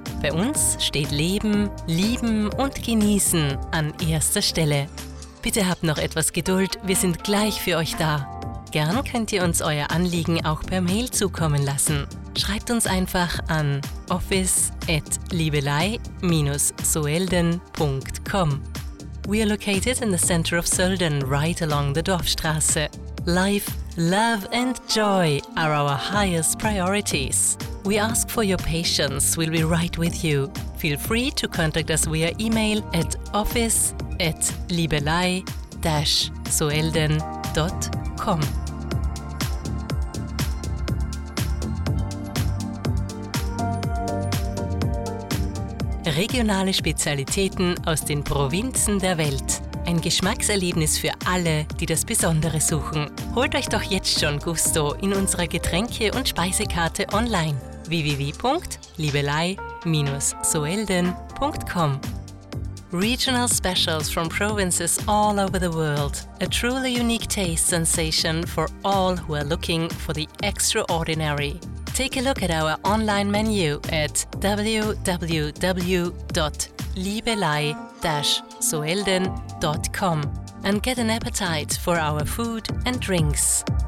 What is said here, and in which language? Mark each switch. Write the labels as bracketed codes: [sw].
[de] Bei uns steht Leben, Lieben und Genießen an erster Stelle. Bitte habt noch etwas Geduld, wir sind gleich für euch da. Gern könnt ihr uns euer Anliegen auch per Mail zukommen lassen. Schreibt uns einfach an office@liebelei-soelden.com. [en] We are located in the center of Sölden, right along the Dorfstraße. Life, love and joy are our highest priorities. We ask for your patience, we'll be right with you. Feel free to contact us via email at office@liebelei-soelden.com. [de] Regionale Spezialitäten aus den Provinzen der Welt. Ein Geschmackserlebnis für alle, die das Besondere suchen. Holt euch doch jetzt schon Gusto in unserer Getränke- und Speisekarte online. www.liebelei-soelden.com. [en] Regional specials from provinces all over the world. A truly unique taste sensation for all who are looking for the extraordinary. Take a look at our online menu at www.liebelei-soelden.com and get an appetite for our food and drinks.